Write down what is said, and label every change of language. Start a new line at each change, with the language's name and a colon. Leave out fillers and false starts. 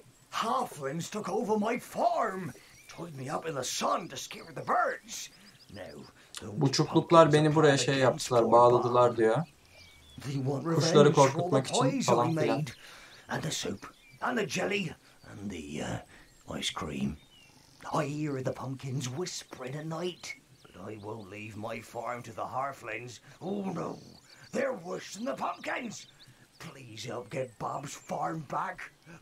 English: Halflings took over my farm, tied me up in the sun to scare the birds.
Turkish: Now, bu çukluklar beni buraya şey yaptılar, bağladılar diyor. Kuşları korkutmak için falan filan.
English: And the soup, and the jelly, and the ice cream. I hear the pumpkins whispering at night, but I won't leave my farm to the halflings. Oh no, they're worse than the pumpkins. Please help get Bob's farm back.